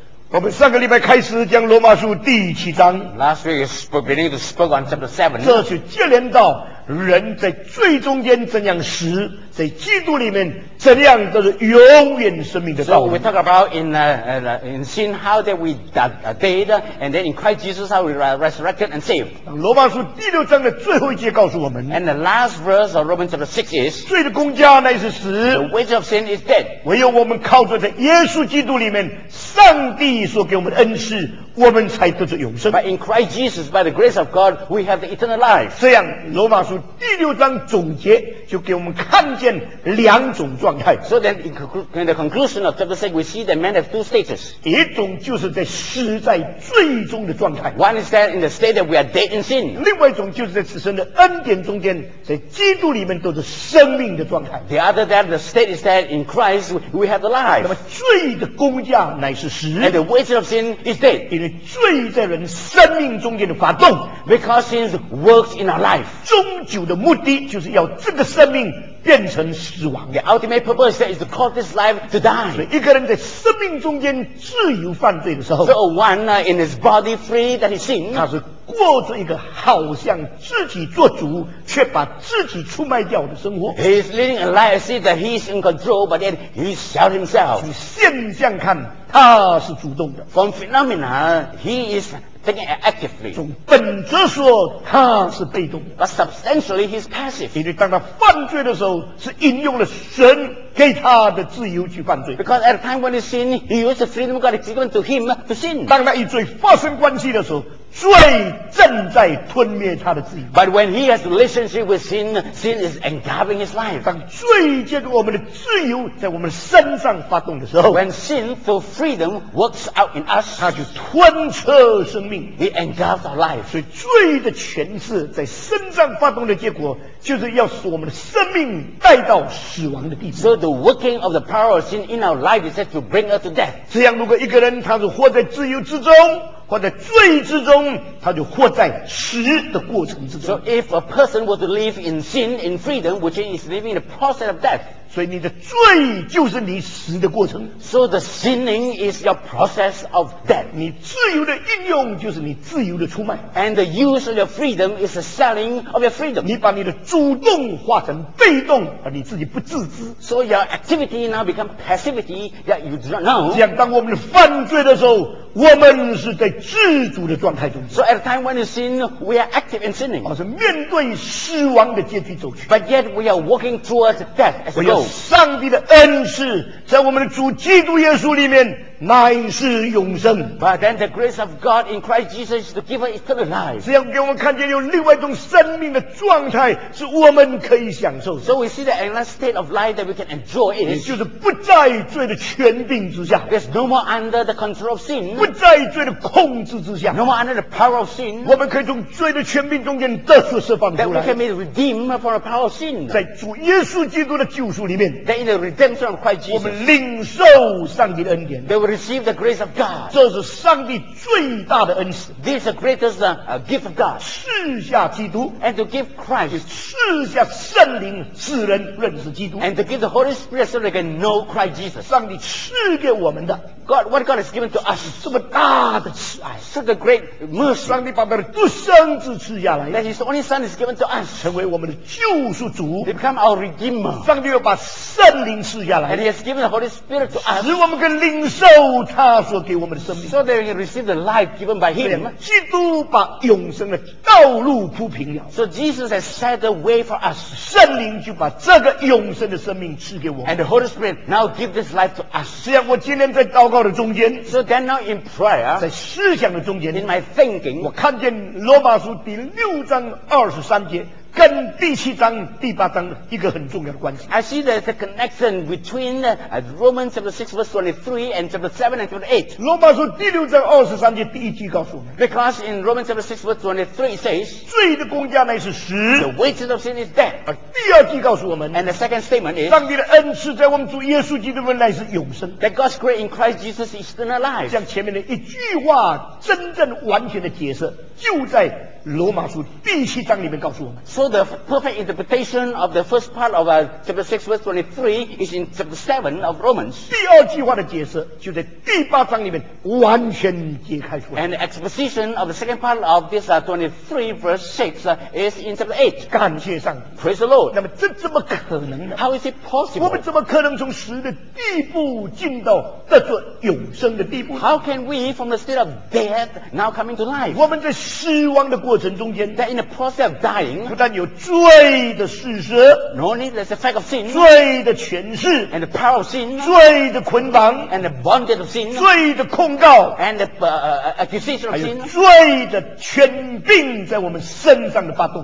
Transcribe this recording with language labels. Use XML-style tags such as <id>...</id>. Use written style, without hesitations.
<zh>我们上个礼拜开始将罗马书第七章</zh> <en>Last week we believe we spoke on chapter 7，</en> <zh>这是接连到人在罪中间怎样死，在基督里面怎样都是永远生命的道理。</zh> <en>So we talk about in sin how that we died and then in Christ Jesus how we are resurrected and saved。</en> <zh>罗马书第六章的最后一节告诉我们</zh> <en>And the last verse of Romans chapter 6 is</en> <zh>罪的工价乃是死，</zh> <en>The wage of sin is dead。</en> <zh>唯有我们靠着在耶稣基督里面上帝所给我们的恩赐，我们才得着永生。</zh> <en>But in Christ Jesus by the grace of God we have the eternal life。</en> <zh>这样罗马书第六章总结就给我们看见两种状态。</zh> <en>So then in the conclusion of chapter 6 we see that man have two stages。</en> <zh>一种就是在死在罪中的状态，</zh> <en>One is that in the state that we are dead in sin。</en> <zh>另外一种就是在此生的恩典中间，在基督里面都是生命的状态。</zh> <en>The other that the state is that in Christ we have the life。</en> <zh>那么罪的工价乃是死，</zh> <en>And the wages of sin is dead。</en> <zh>因为罪在人生命中间的发动，</zh> <en>Because sin works in our life。</en> <zh>终究的目的就是要这个生命变成死亡。</zh> <en>The ultimate purpose is to cause this life to die。</en> <zh>所以一个人在生命中间自由犯罪的时候，</zh> <en>So one in his body free that he sin，</en> <zh>他是过着一个好像自己做主却把自己出卖掉的生活。</zh> <en>He is living a life as if that he is in control but then he sells himself。</en> <zh>从现象看他是主动的，</zh> <en>From phenomena he is taking it actively。</en> <zh>从本质说他是被动的，</zh> <en>But substantially he is passive。</en> <zh>因为当他犯罪的时候是引用了神给他的自由去犯罪。</zh> <en>Because at a time when he sinned he used the freedom God has given to him to sin。</en> <zh>当他与罪发生关系的时候，罪正在吞灭他的自由。</zh> <en>But when he has relationship with sin, sin is engulfing his life。</en> <zh>当罪借着我们的自由在我们身上发动的时候，</zh> <en>When sin for freedom works out in us，</en> <zh>他就吞吃生命，</zh> <en>He engulfs our life。</en> <zh>所以罪的权势在身上发动的结果就是要使我们的生命带到死亡的地步。</zh> <en>So the working of the power of sin in our life is said to bring us to death。</en> <zh>这样如果一个人他是活在自由之中或在罪之中，他就活在死的过程之中。</zh> <en>So if a person were to live in sin, in freedom, which is living in the process of death。</en> <zh>所以你的罪就是你死的过程。</zh> <en>So the sinning is your process of death。</en> <zh>你自由的应用就是你自由的出卖。</zh> <en>And the use of your freedom is the selling of your freedom。</en> <zh>你把你的主动化成被动，而你自己不自知。</zh> <en>So your activity now become passivity that you do not know。</en> <zh>这样当我们犯罪的时候，我们是在自主的状态中。</zh> <en>So at a time when you sin, we are active in sinning。</en> <zh>而是面对死亡的结局走去。</zh> <en>But yet we are walking towards death as a goal。</en> <zh>唯有上帝的恩赐在我们的主基督耶稣里面乃是永生。</zh> <en>But then the grace of God in Christ Jesus is to give us eternal life。</en> <zh>这样给我们看见有另外一种生命的状态是我们可以享受的。</zh> <en>So we see that another state of life that we can enjoy is，</en> <zh>就是不在罪的权柄之下。</zh> <en>There's no more under the control of sin，</en> <zh>不在罪的控制之下。</zh> <en>No more under the power of sin，</en> <zh>我们可以从罪的权柄中间得出释放出来。</zh> <en>That we can be redeemed from the power of sin，</en> <zh>在主耶稣基督的救赎里面。</zh> <en>That in the redemption of Christ Jesus，</en> <zh>我们领受上帝的恩典。</zh> <en>That we receive the grace of God，</en> <zh>这是上帝最大的恩赐。</zh> <en>This is the greatest gift of God，</en> <zh>赐下基督。</zh> <en>And to give Christ，</en> <zh>赐下圣灵使人认识基督。</zh> <en>And to give the Holy Spirit so they can know Christ Jesus，</en> <zh>上帝赐给我们的。</zh> <en>God, what God has given to us，</en> <zh>这么大的慈爱，</zh> <en>such a great mercy，</en> <zh>上帝把他的独生子赐下来，</zh> <en>that his only son is given to us，</en> <zh>成为我们的救赎主，</zh> <en>he become our redeemer，</en> <zh>上帝又把圣灵赐下来，</zh> <en>and he has given the Holy Spirit to us，</en> <zh>使我们可以领受他所给我们的生命，</zh> <en>so that we can receive the life given by him。</en> <zh>基督把永生的道路铺平了，</zh> <en>so Jesus has set the way for us，</en> <zh>圣灵就把这个永生的生命赐给我们，</zh> <en>and the Holy Spirit now give this life to us。</en> <zh>这样我今天在祷告的中间，</zh> <en>so then now in prayer，</en> <zh>在思想的中间，</zh> <en>in my thinking，</en> <zh>我看见罗马书第六章二十三节跟第七章第八章一个很重要的关系。</zh> <en>I see there's a connection between Romans chapter 6 verse 23 and chapter 7 and chapter 8。</en> <zh>罗马书第六章二十三节第一句告诉我们，</zh> <en>because in Romans chapter 6 verse 23 it says，</en> <zh>罪的工价乃是死，</zh> <en>the wages of sin is death。</en> <zh>而第二句告诉我们，</zh> <en>and the second statement is，</en> <zh>上帝的恩赐在我们主耶稣基督里面乃是永生，</zh> <en>that God's grace in Christ Jesus is eternal life。</en> <zh>像前面的一句话真正完全的解释就在罗马书第七章里面告诉我们。</zh> <en>So the perfect interpretation of the first part of chapter 6 verse 23 is in chapter 7 of Romans.</en> <zh>第二句话的解释就在第八章里面完全解开出来。</zh> <en>And the exposition of the second part of this 23 verse 6 is in chapter 8.</en> <zh>感谢上帝。</zh> <en>Praise the Lord.</en> <zh>那么这怎么可能呢？</zh> <en>How is it possible?</en> <zh>我们怎么可能从死的地步进到得着永生的地步？</zh> <en>How can we from the state of death now coming to life?</en> <zh>我们在死亡的过程中间，</zh> <en>that in the process of dying,</en> <zh>不但有罪的事实，</zh> <en>no need, there's a fact of sin,</en> <zh>罪的权势，</zh> <en>and the power of sin,</en> <zh>罪的捆绑，</zh> <en>and the bondage of sin,</en> <zh>罪的控告，</zh> <en>and the accusation of sin,</en> <zh>还有罪的权柄在我们身上的发动，</zh>